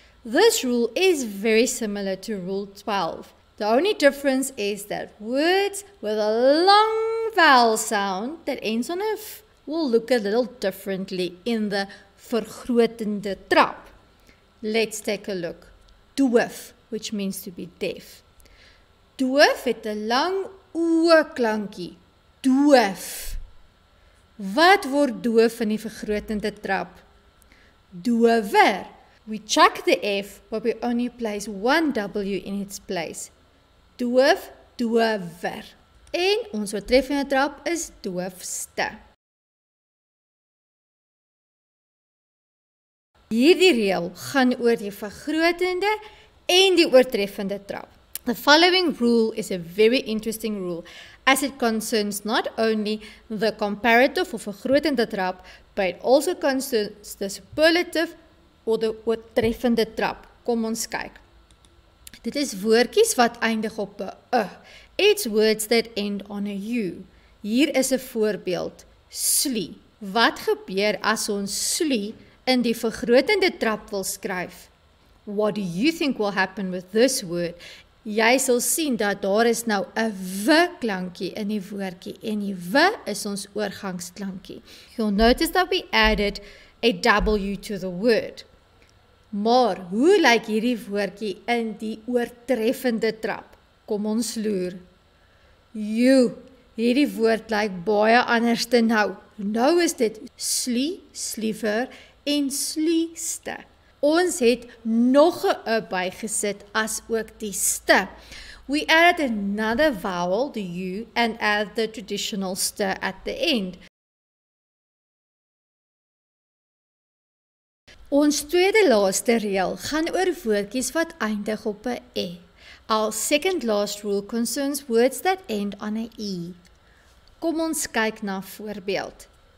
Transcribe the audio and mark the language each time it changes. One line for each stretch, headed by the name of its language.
English: This rule is very similar to rule 12. The only difference is that words with a long vowel sound that ends on a f will look a little differently in the vergrotende trap. Let's take a look. Doof, which means to be deaf.
Afrikaans: Doof het 'n lang o-klankie. Doof. Wat word doof in die vergrotende trap? Dower. We chuck the F, but we only place one W in its place. Doof, dower. En ons oortreffende trap is doofste. Hierdie reël gaan oor die vergrotende en die oortreffende trap.
English: The following rule is a very interesting rule as it concerns not only the comparative or vergrotende trap, but it also concerns the superlative or the oortreffende trap.
Afrikaans: Kom ons kyk. Dit is woordjies wat eindig op 'n 'e'.
English: It's words that end on a 'u'.
Afrikaans: Hier is 'n voorbeeld. slu. Wat gebeur as ons slu in die vergrotende trap wil skryf?
English: What do you think will happen with this word?
Afrikaans: Jy sal sien dat daar is nou 'n w klankie in die woordjie en die w is ons oorgangsklankie.
English: You'll notice that we added a w to the word.
Afrikaans: Maar hoe lyk hierdie woordjie in die oortreffende trap? Kom ons loer. You. Hierdie woord lyk baie anders te nou. Nou is dit slu, sliever en sluiste. Ons het nog 'n u bygesit as ook die ste.
English: We added another vowel, the u, and add the traditional ste at the end.
Afrikaans: Ons tweede laaste reël gaan oor woordjies wat eindig op 'n e.
English: Our second last rule concerns words that end on a e.
Afrikaans: Kom ons kyk na voorbeeld.